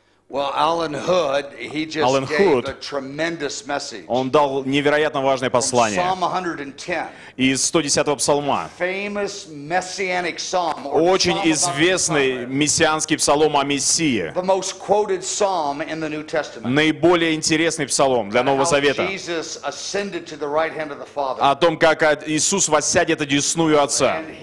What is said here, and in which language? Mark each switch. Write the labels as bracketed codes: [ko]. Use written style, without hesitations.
[en] Well, Alan Hood, he just Alan gave Hood, a tremendous message. [ru] Он дал невероятно важное послание. [en] From Psalm 110. [ru] Из 110-го псалма. [en] Famous messianic psalm. [ru] Очень известный мессианский псалом о Мессии. [en] The most quoted psalm in the New Testament. [ru] Наиболее интересный псалом для Нового Завета. [en] Jesus ascended to the right hand of the Father. [ru] О том, как Иисус воссядет одесную Отца.